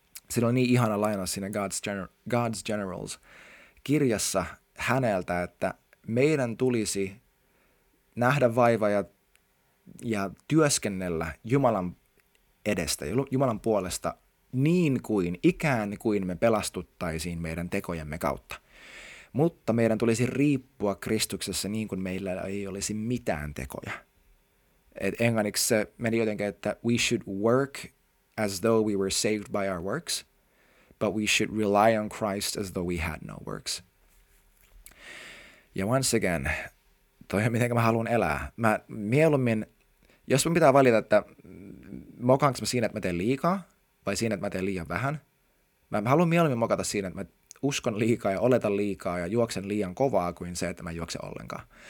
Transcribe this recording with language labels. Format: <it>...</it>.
<fi>Sillä on niin ihana lainaus siinä God's Generals-kirjassa häneltä, että meidän tulisi nähdä vaiva ja työskennellä Jumalan edestä, Jumalan puolesta, niin kuin ikään kuin me pelastuttaisiin meidän tekojemme kautta. Mutta meidän tulisi riippua Kristuksessa niin kuin meillä ei olisi mitään tekoja. Et englanniksi se meni jotenkin, että</fi> <en>we should work as though we were saved by our works, but we should rely on Christ as though we had no works.</en> <fi>Ja</fi> <en>once again,</en> <fi>toi on miten mä haluan elää. Mä mieluummin, jos mun pitää valita, että mokaanko mä siinä, että mä teen liikaa, vai siinä, että mä teen liian vähän, mä haluan mieluummin mokata siinä, että mä uskon liikaa ja oletan liikaa ja juoksen liian kovaa kuin se, että mä juoksen ollenkaan.</fi>